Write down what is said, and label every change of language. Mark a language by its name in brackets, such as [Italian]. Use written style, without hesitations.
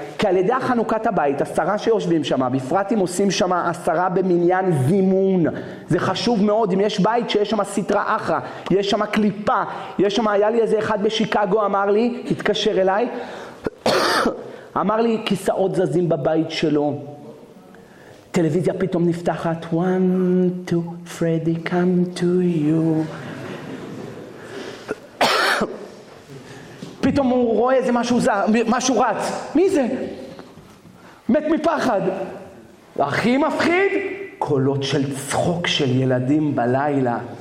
[Hebrew] כי על ידי חנוכת הבית, עשרה שיושבים שם, בפרט אם עושים שם עשרה במניין זימון. זה חשוב מאוד. אם יש בית שיש שם סטרה אחרה, יש שם קליפה, יש שם, היה לי איזה אחד בשיקגו, אמר לי, התקשר אליי, אמר לי, כיסאות זזים בבית שלו. טלוויזיה פתאום נפתחת. [English] One, two, Freddy, come to you. [Hebrew] פתאום הוא רואה איזה משהו, משהו רץ. מי זה? מת מפחד. הכי מפחיד? קולות של צחוק של ילדים בלילה.